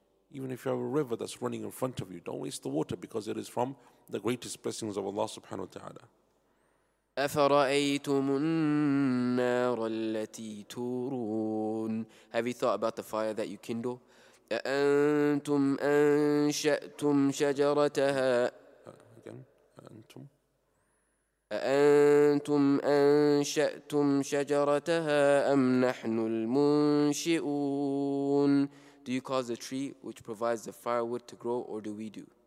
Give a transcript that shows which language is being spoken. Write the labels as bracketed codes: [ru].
[en] Even if you have a river that's running in front of you, don't waste the water, because it is from the greatest blessings of Allah subhanahu wa ta'ala. [ar] أَفَرَأَيْتُمُ النَّارَ الَّتِي تُورُونَ. [en] Have you thought about the fire that you kindle? [ar] أَأَنْتُمْ أَنْشَأْتُمْ شَجَرَتَهَا. [en] Again, [ar] أَأَنْتُمْ. أأنتم أنشأتم شجرتها أم نحن المنشئون. [en] Do you cause the tree which provides the firewood to grow, or do we do?